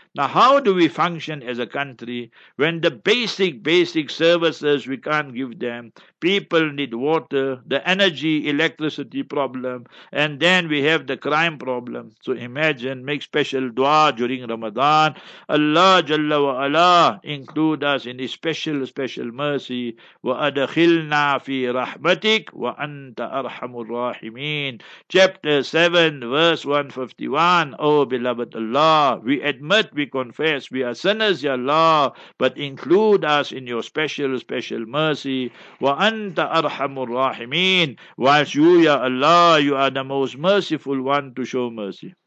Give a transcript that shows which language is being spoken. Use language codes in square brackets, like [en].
[en] Now, how do we function as a country when the basic services we can't give them? People need water, the energy, electricity problem, and then we have the crime problem. So imagine, make special dua during Ramadan. Allah, Jalla wa Ala, include us in His special mercy. [ar] وأدخلنا في رحمتك وأنت أرحم الراحمين. [en] Chapter 7, verse 151. O beloved Allah, we admit, we confess, we are sinners, Ya Allah, but include us in Your special mercy. [ar] وأنت أرحم الراحمين. [en] Whilst You, Ya Allah, You are the most merciful one to show mercy.